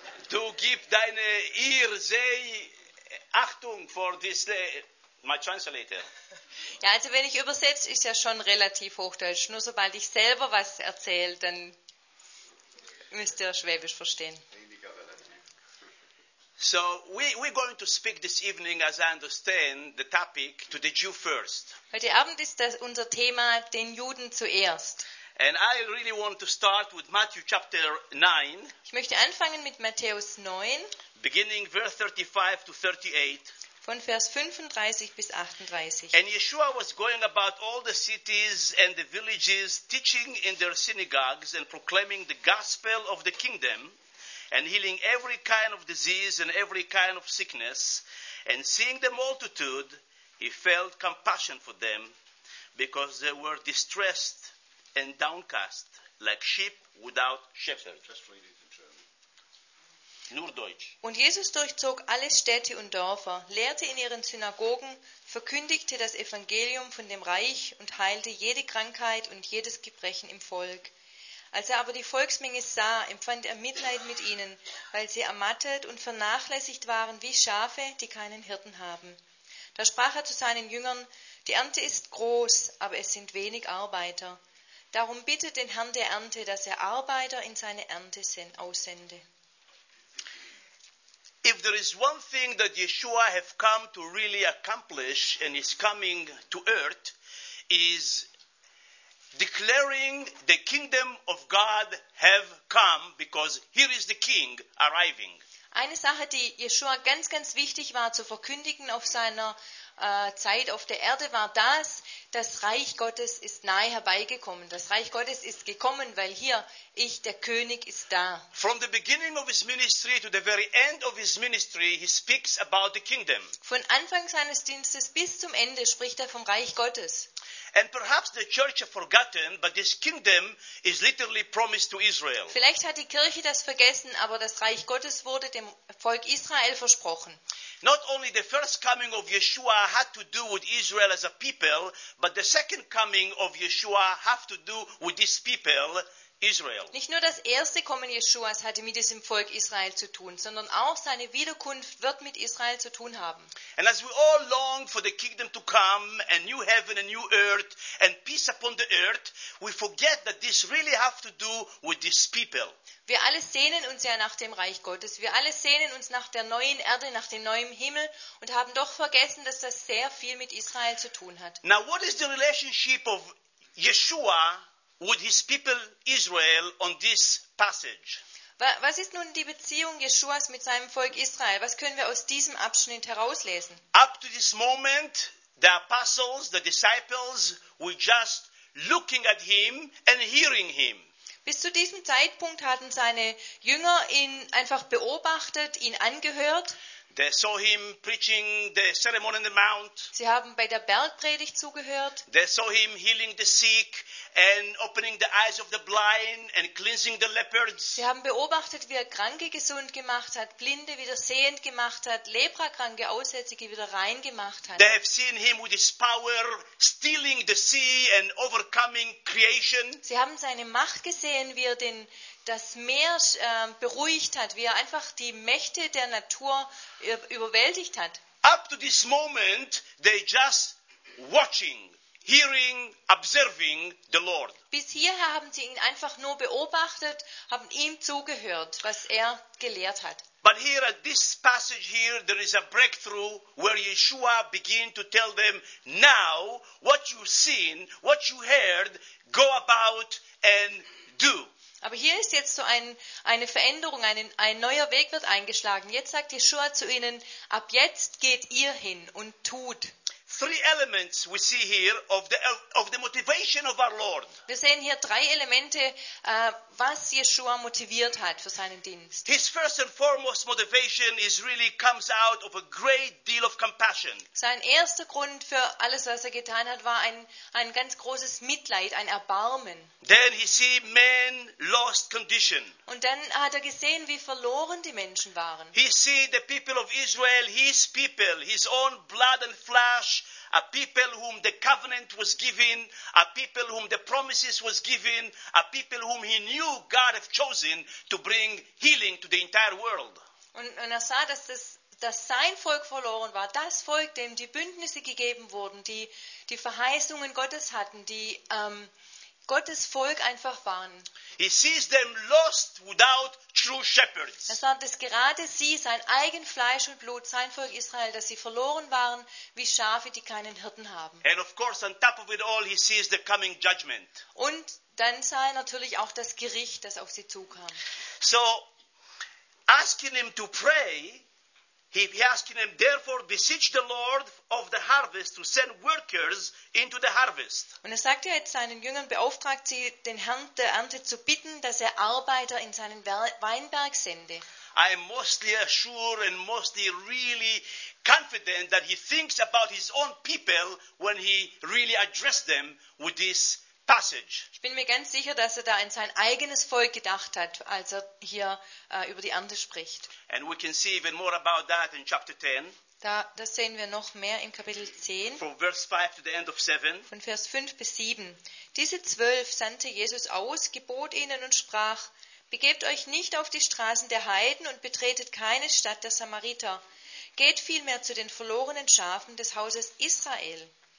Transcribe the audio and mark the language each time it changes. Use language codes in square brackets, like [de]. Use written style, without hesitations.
[de] Du gibst deine ihr sehr Achtung vor diese. [en] My translator. [de] Ja, also wenn ich übersetze, ist ja schon relativ Hochdeutsch. Nur sobald ich selber was erzähle, dann müsst ihr Schwäbisch verstehen. [en] So, we're going to speak this evening, as I understand, the topic to the Jew first. [de] Heute Abend ist das unser Thema, den Juden zuerst. [en] And I really want to start with Matthew chapter 9. [de] Ich möchte anfangen mit Matthäus 9. [en] Beginning verse 35 to 38. [de] Von Vers 35 bis 38. [en] And Yeshua was going about all the cities and the villages, teaching in their synagogues and proclaiming the gospel of the kingdom, and healing every kind of disease and every kind of sickness. And seeing the multitude, he felt compassion for them, because they were distressed and downcast, like sheep without shepherd. Just read it in German. [de] Nur Deutsch. Und Jesus durchzog alle Städte und Dörfer, lehrte in ihren Synagogen, verkündigte das Evangelium von dem Reich und heilte jede Krankheit und jedes Gebrechen im Volk. Als er aber die Volksmenge sah, empfand er Mitleid mit ihnen, weil sie ermattet und vernachlässigt waren wie Schafe, die keinen Hirten haben. Da sprach er zu seinen Jüngern: Die Ernte ist groß, aber es sind wenig Arbeiter. Darum bittet den Herrn der Ernte, dass er Arbeiter in seine Ernte aussende. [en] If there is one thing that Yeshua have come to really accomplish and is coming to earth, is declaring the kingdom of God have come, because here is the king arriving. [de] Eine Sache, die Yeshua ganz, ganz wichtig war zu verkündigen auf seiner Zeit auf der Erde, war das Reich Gottes ist nahe herbeigekommen. Das Reich Gottes ist gekommen, weil hier ich, der König, ist da. [en] From the beginning of his ministry to the very end of his ministry, he speaks about the kingdom. [de] Von Anfang seines Dienstes bis zum Ende spricht er vom Reich Gottes. [en] And perhaps the church has forgotten, but this kingdom is literally promised to Israel. [de] Vielleicht hat die Kirche das vergessen, aber das Reich Gottes wurde dem Volk Israel versprochen. [en] Not only the first coming of Yeshua had to do with Israel as a people, but the second coming of Yeshua have to do with this people, Israel. [de] Nicht nur das erste Kommen Jeschuas hatte mit diesem Volk Israel zu tun, sondern auch seine Wiederkunft wird mit Israel zu tun haben. [en] And as we all long for the kingdom to come, a new heaven, a new earth, and peace upon the earth, we forget that this really have to do with these people. [de] Wir alle sehnen uns ja nach dem Reich Gottes. Wir alle sehnen uns nach der neuen Erde, nach dem neuen Himmel und haben doch vergessen, dass das sehr viel mit Israel zu tun hat. [en] Now what is the relationship of Yeshua with his people Israel on this passage? [de] Was ist nun die Beziehung Jeschuas mit seinem Volk Israel? Was können wir aus diesem Abschnitt herauslesen? [en] Up to this moment, the apostles, the disciples, were just looking at him and hearing him. [de] Bis zu diesem Zeitpunkt hatten seine Jünger ihn einfach beobachtet, ihn angehört. [en] They saw him preaching the Sermon on the Mount. [de] Sie haben bei der Bergpredigt zugehört. [en] They saw him healing the sick and opening the eyes of the blind and cleansing the lepers. [de] Sie haben beobachtet, wie er Kranke gesund gemacht hat, Blinde wieder sehend gemacht hat, Leprakranke, Aussätzige wieder rein gemacht hat. [en] They have seen him with his power stealing the sea and overcoming creation. [de] Sie haben seine Macht gesehen, wie er das Meer beruhigt hat, wie er einfach die Mächte der Natur überwältigt hat. [en] Up to this moment, they just watching, hearing, observing the Lord. [de] Bis hierher haben sie ihn einfach nur beobachtet, haben ihm zugehört, was er gelehrt hat. [en] But here at this passage here, there is a breakthrough where Yeshua begin to tell them, now what you seen, what you heard, go about and do. [de] Aber hier ist jetzt so eine Veränderung, ein neuer Weg wird eingeschlagen. Jetzt sagt Yeshua zu ihnen: Ab jetzt geht ihr hin und tut. [en] Three elements we see here of the motivation of our Lord. [de] Wir sehen hier drei Elemente, was Yeshua motiviert hat für seinen Dienst. [en] His first and foremost motivation is really comes out of a great deal of compassion. [de] Sein erster Grund für alles, was er getan hat, war ein ganz großes Mitleid, ein Erbarmen. [en] Then he see man lost condition. [de] Und dann hat er gesehen, wie verloren die Menschen waren. [en] He see the people of Israel, his people, his own blood and flesh, a people whom the covenant was given, a people whom the promises was given, a people whom he knew God had chosen to bring healing to the entire world. [de] Und er sah, dass das, dass sein Volk verloren war, das Volk, dem die Bündnisse gegeben wurden, die die Verheißungen Gottes hatten, die Gottes Volk einfach waren. [en] He sees them lost without true shepherds. [de] Er sah, dass gerade sie, sein eigen Fleisch und Blut, sein Volk Israel, dass sie verloren waren wie Schafe, die keinen Hirten haben. [en] And of course, on top of it all, he sees the coming judgment. [de] Und dann sah er natürlich auch das Gericht, das auf sie zukam. [en] So, asking him to pray, he asking him, therefore beseech the Lord of the harvest to send workers into the harvest. [de] Und er sagt ja jetzt seinen Jüngern, beauftragt sie, den Herrn der Ernte zu bitten, dass er Arbeiter in seinen Weinberg sende. [en] I am mostly sure and mostly really confident that he thinks about his own people when he really addressed them with this passage. [de] Ich bin mir ganz sicher, dass er da an sein eigenes Volk gedacht hat, als er hier über die Ernte spricht. [en] And we can see even more about that in chapter 10. [de] Da, das sehen wir noch mehr im Kapitel 10. From verse 5 to the end of 7. Von Vers 5 bis 7. Diese 12 sandte Jesus aus, gebot ihnen und sprach: Begebt euch nicht auf die Straßen der Heiden und betretet keine Stadt der Samariter. Geht vielmehr zu den verlorenen Schafen des Hauses Israel.